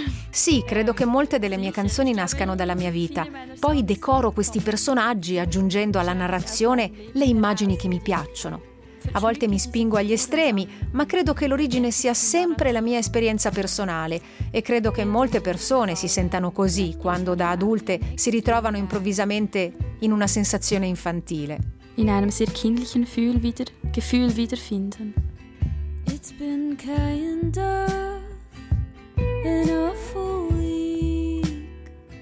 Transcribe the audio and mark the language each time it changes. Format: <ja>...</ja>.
<it>Sì, credo che molte delle mie canzoni nascano dalla mia vita. Poi decoro questi personaggi aggiungendo alla narrazione le immagini che mi piacciono. A volte mi spingo agli estremi, ma credo che l'origine sia sempre la mia esperienza personale e credo che molte persone si sentano così quando da adulte si ritrovano improvvisamente in una sensazione infantile.</it> <de>In einem sehr kindlichen Gefühl wiederfinden.</de> <en>It's been kind of an awful week.</en>